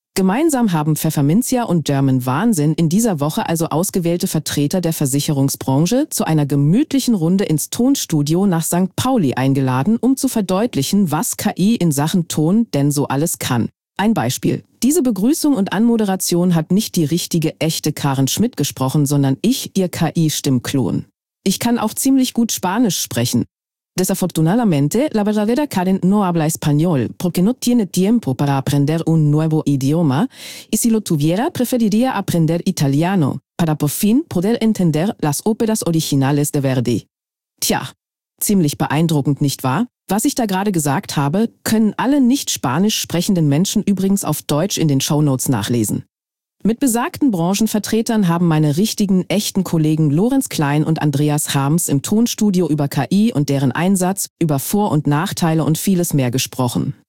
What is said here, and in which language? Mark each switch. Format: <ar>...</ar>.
<de>Gemeinsam haben Pfefferminzia und German Wahnsinn in dieser Woche also ausgewählte Vertreter der Versicherungsbranche zu einer gemütlichen Runde ins Tonstudio nach St. Pauli eingeladen, um zu verdeutlichen, was KI in Sachen Ton denn so alles kann. Ein Beispiel. Diese Begrüßung und Anmoderation hat nicht die richtige, echte Karen Schmidt gesprochen, sondern ich, ihr KI-Stimmklon. Ich kann auch ziemlich gut Spanisch sprechen.</de> <es>Desafortunadamente, la verdadera Karen no habla español, porque no tiene tiempo para aprender un nuevo idioma, y si lo tuviera, preferiría aprender italiano, para por fin poder entender las óperas originales de Verdi.</es> <de>Tja, ziemlich beeindruckend, nicht wahr? Was ich da gerade gesagt habe, können alle nicht Spanisch sprechenden Menschen übrigens auf Deutsch in den Shownotes nachlesen. Mit besagten Branchenvertretern haben meine richtigen, echten Kollegen Lorenz Klein und Andreas Harms im Tonstudio über KI und deren Einsatz, über Vor- und Nachteile und vieles mehr gesprochen.</de>